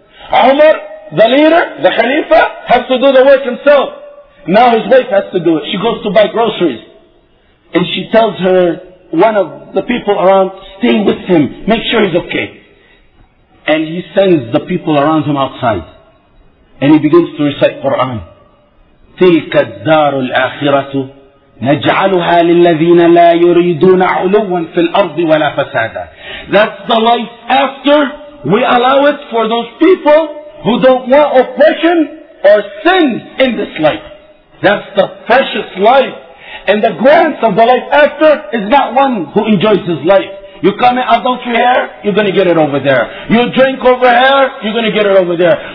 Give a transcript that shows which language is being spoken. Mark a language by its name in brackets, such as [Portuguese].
[English] Umar, the leader, the Khalifa, has to do the work himself. Now his wife has to do it. She goes to buy groceries. And she tells her, one of the people around, stay with him, make sure he's okay. And he sends the people around him outside. And he begins to recite Quran. [Arabic] تلك الدار الآخرة نجعلها للذين لا يريدون علوا في الأرض ولا فسادا. [English] That's the life after we allow it for those people who don't want oppression or sin in this life. That's the precious life. And the grants of the life after is not one who enjoys his life. You commit adultery here, you're going to get it over there. You drink over here, you're going to get it over there.